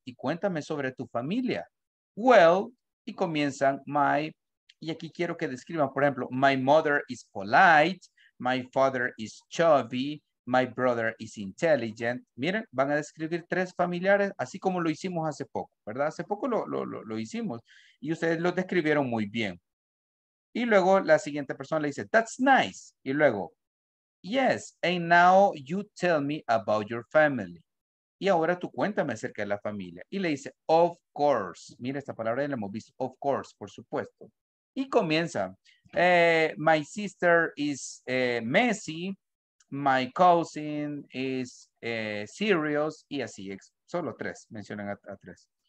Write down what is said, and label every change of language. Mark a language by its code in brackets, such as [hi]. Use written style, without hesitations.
[es] Y cuéntame sobre tu familia. Well, y comienzan my, y aquí quiero que describan, por ejemplo, [en] my mother is polite, my father is chubby, my brother is intelligent. [es] Miren, van a describir tres familiares, así como lo hicimos hace poco, ¿verdad? Hace poco lo hicimos y ustedes lo describieron muy bien. Y luego la siguiente persona le dice, [en] that's nice. Y luego, yes, and now you tell me about your family. [es] Y ahora tú cuéntame acerca de la familia. Y le dice, [en] of course. [es] Mira esta palabra, ya la hemos visto, of course, por supuesto. Y comienza, [en] my sister is messy, my cousin is serious, [es] y así, solo tres, mencionan a tres.